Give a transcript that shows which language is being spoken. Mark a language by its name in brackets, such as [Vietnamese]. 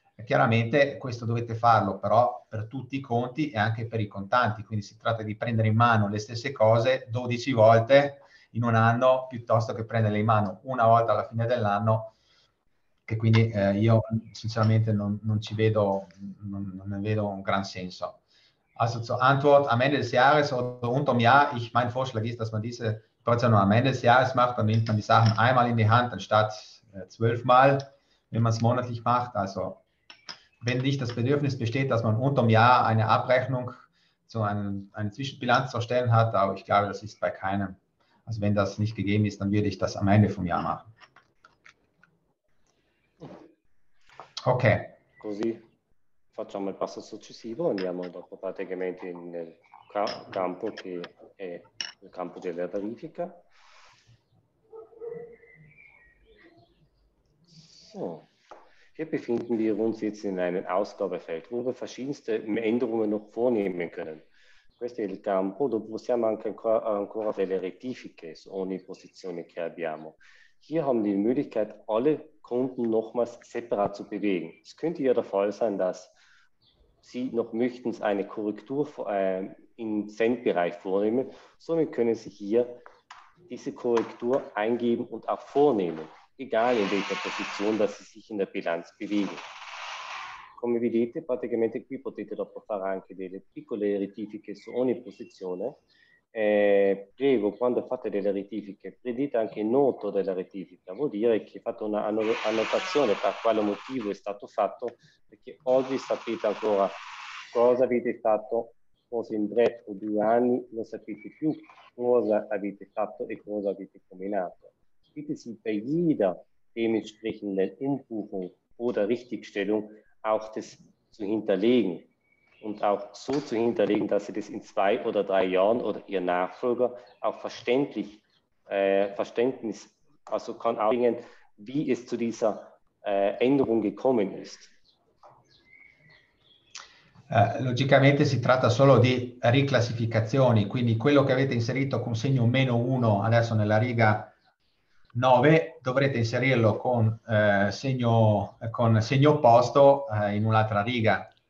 [Italian] Chiaramente questo dovete farlo però per tutti i conti e anche per i contanti, quindi si tratta di prendere in mano le stesse cose 12 volte in un anno, piuttosto che prenderle in mano una volta alla fine dell'anno, che quindi io sinceramente non ci vedo, non ne vedo un gran senso. [German] Also zur Antwort, am Ende des Jahres oder unterm Jahr, mein Vorschlag ist, dass man diese Operation am Ende des Jahres macht, dann nimmt man die Sachen einmal in die Hand, anstatt 12 Mal, wenn man es monatlich macht. Also wenn nicht das Bedürfnis besteht, dass man unterm Jahr eine Abrechnung, zu eine Zwischenbilanz zu erstellen hat, aber ich glaube, das ist bei keinem. Also wenn das nicht gegeben ist, dann würde ich das am Ende vom Jahr machen. Ok. [Italian] Così facciamo il passo successivo, andiamo dopo praticamente nel campo che è il campo della verifica. So. [German] Hier befinden wir uns jetzt in einem Ausgabefeld, wo wir verschiedenste Änderungen noch vornehmen können. [Italian] Questo è il campo dove possiamo anche ancora delle rettifiche su ogni posizione che abbiamo. [German] Hier haben die Möglichkeit, alle Kunden nochmals separat zu bewegen. Es könnte ja der Fall sein, dass Sie noch möchten eine Korrektur im Sendbereich vornehmen. Somit können Sie hier diese Korrektur eingeben und auch vornehmen, egal in welcher Position, dass Sie sich in der Bilanz bewegen. [Italian] Come vedete, praticamente qui potete dopo fare anche delle piccole rettifiche su ogni posizione. Prego, quando fate delle rettifiche, prendete anche il noto della rettifica, vuol dire che fate una annotazione per quale motivo è stato fatto, perché oggi sapete ancora cosa avete fatto, forse in 3 o 2 anni non sapete più cosa avete fatto e cosa avete combinato. [German] Bitte Sie bei jeder dementsprechenden Umbuchung oder Richtigstellung auch das zu hinterlegen. Und auch so zu hinterlegen, dass Sie das in 2 oder 3 Jahren oder Ihr Nachfolger auch verständlich, Verständnis, also kann auch bringen, wie es zu dieser Änderung gekommen ist. [Italian] Logicamente si tratta solo di riclassificazioni, quindi quello che avete inserito con segno meno 1 adesso nella riga 9 dovrete inserirlo con segno opposto in un'altra riga.